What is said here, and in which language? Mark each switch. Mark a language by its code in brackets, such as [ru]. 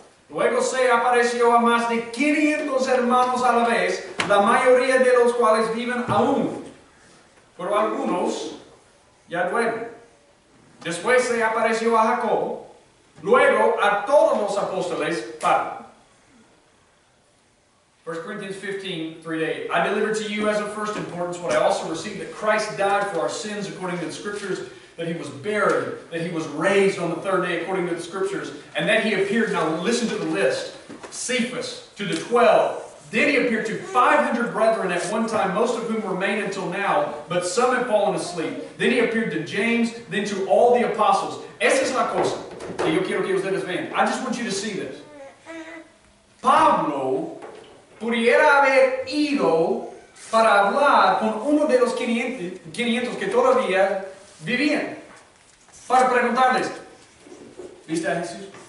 [es] Luego se apareció a más de 500 hermanos a la vez, la mayoría de los cuales viven aún, pero algunos ya duermen. Después se apareció a Jacobo, luego a todos los apóstoles, para. [en] 1 Corinthians 15, 3-8. I delivered to you as of first importance what I also received, that Christ died for our sins according to the Scriptures, that He was buried, that He was raised on the third day according to the Scriptures, and that He appeared, now listen to the list, Cephas, to the 12. Then He appeared to 500 brethren at one time, most of whom remain until now, but some have fallen asleep. Then He appeared to James, then to all the apostles. [es] Esa es la cosa que yo quiero que ustedes vean. [en] I just want you to see this. [es] Pablo pudiera haber ido para hablar con uno de los 500 que todavía vivían, para preguntarles, ¿viste a Jesús?